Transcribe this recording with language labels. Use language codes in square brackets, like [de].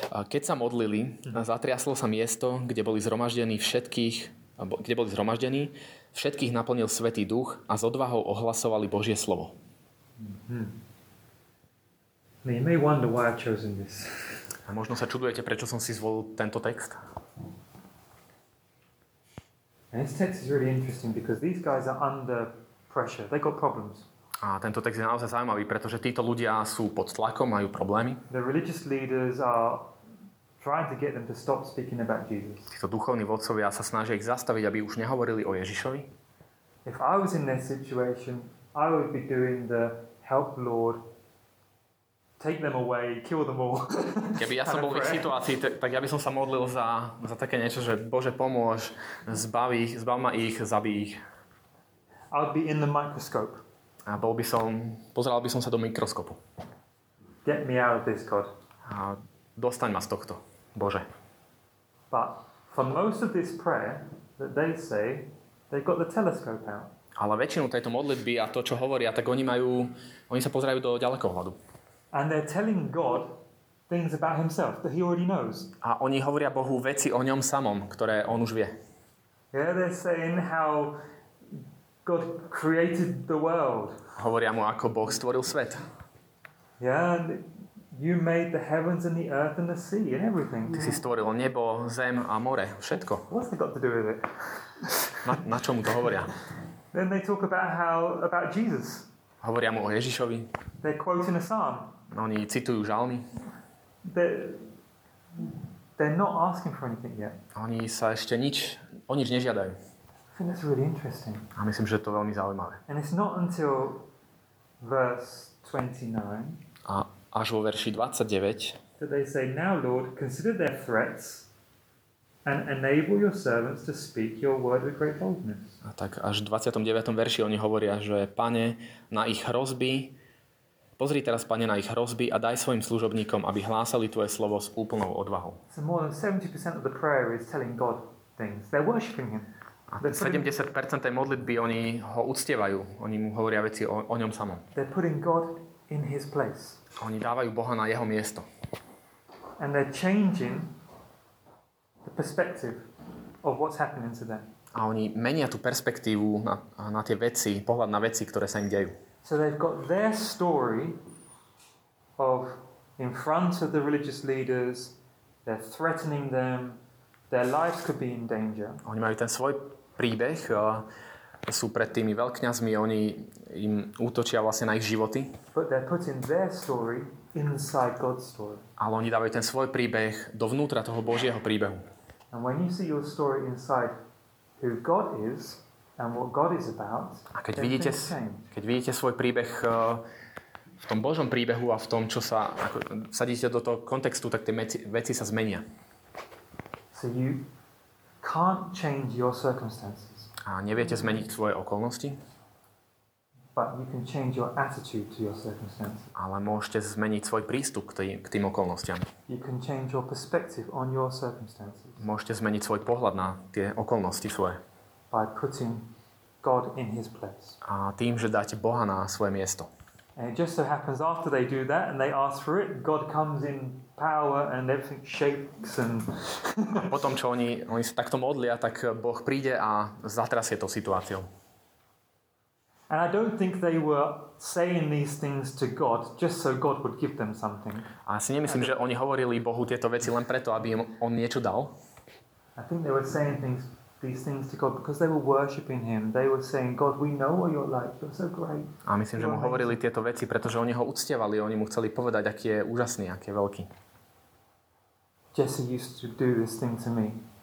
[sk] Keď sa modlili, zatriaslo sa miesto, kde boli zhromaždení, všetkých naplnil Svätý Duch a s odvahou ohlasovali Božie slovo. Mm-hmm. [en] You may wonder why I've chosen this. [sk] A možno sa čudujete, prečo som si zvolil tento text. [en] And this text is really interesting because these guys are under pressure. They got problems. [sk] A tento text je naozaj zaujímavý, pretože títo ľudia sú pod tlakom, majú problémy. [en] The religious leaders are trying to get them to stop speaking about Jesus. [sk] Títo duchovní vodcovia sa snažia ich zastaviť, aby už nehovorili o Ježišovi. [en] If I was in their situation, I would be doing the help Lord, take them away, kill them all. [sk] Keby ja som bol v ich situácii, tak ja by som sa modlil za také niečo, že Bože pomôž, zbav ma ich, zabij ich. [en] I would be in the microscope. [sk] A pozeral by som sa do mikroskopu. [en] Get me out of this, God. [sk] A dostaň ma z tohto, Bože. [en] But for most of this prayer that they say, they've got the telescope out. [sk] Ale väčšinu tejto modlitby a to, čo hovoria, tak oni sa pozerajú do ďalekohľadu. [en] And they're telling God things about himself that he already knows. [sk] A oni hovoria Bohu veci o ňom samom, ktoré on už vie. [en] Yeah, they're saying how God created the world. [sk] Hovoria mu, ako Boh stvoril svet. [en] Yeah, you made the heavens and the earth and the sea and everything. [sk] Ty si stvoril nebo, zem a more, všetko. [en] What's that got to do with it? [sk] Na čo mu to hovoria? [en] Then they talk about Jesus. [sk] Hovoria mu o Ježišovi. [en] They're quoting a psalm. [sk] Oni citujú žalmy. [en] They're not asking for anything yet. [sk] Oni sa ešte o nič nežiadajú. [en] I think that's really interesting. [sk] A myslím, že to je veľmi zaujímavé. [en] And it's not until verse 29. [sk] A až vo verši 29. [en] That they say, now Lord, consider their threats And enable your servants to speak your word with great boldness. [sk] A tak až v 29. verši oni hovoria, že Pane, na ich hrozby, pozri teraz, Pane, na ich hrozby a daj svojim služobníkom, aby hlásali tvoje slovo s úplnou odvahou. [en] So more than 70% of the prayer is telling God things. They're worshiping him. [sk] A 70% tej modlitby, oni ho uctievajú. Oni mu hovoria veci o ňom samom. [en] They're putting God in his place. [sk] Oni dávajú Boha na jeho miesto. [en] And they're changing the perspective of what's happening to them. [sk] A oni menia tú perspektívu na tie veci, pohľad na veci, ktoré sa im dejú. [en] So they've got their story of in front of the religious leaders, they're threatening them, their lives could be in danger. [sk] Oni majú ten svoj príbeh, sú pred tými veľkňazmi, oni im útočia vlastne na ich životy. [en] But they're putting their story inside God's story. [sk] Ale oni dávajú ten svoj príbeh dovnútra toho Božieho príbehu. [en] And when you see your story inside who God is and what God is about, [sk] a keď vidíte svoj príbeh v tom Božom príbehu a v tom, čo sa ako sadíte do toho kontextu, tak tie veci sa zmenia. [en] So you can't change your circumstances. [sk] A neviete zmeniť svoje okolnosti? [en] But you can change your attitude to your circumstances. [sk] Ale môžete zmeniť svoj prístup k tým okolnostiam. [en] You can change your perspective on your circumstances. [sk] Môžete zmeniť svoj pohľad na tie okolnosti svoje. [en] By putting God in his place. [sk] A tým, že dáte Boha na svoje miesto. [en] And it just so happens after they do that and they ask for it, God comes in power and everything shakes and [sk] potom čo oni sa takto modlia, tak Boh príde a zatrasie to situáciou. [en] And I don't think they were saying these things to God just so God would give them something. [sk] A si nemyslím, že oni hovorili Bohu tieto veci len preto, aby im on niečo dal. [en] I think they were saying these things to God because they were worshiping him. They were saying, God, we know what you're like. You're so great. [sk] A myslím, že mu hovorili tieto veci, pretože oni ho uctievali, oni mu chceli povedať, aký je úžasný, aký je veľký. [en] Jesse used to do this thing to me.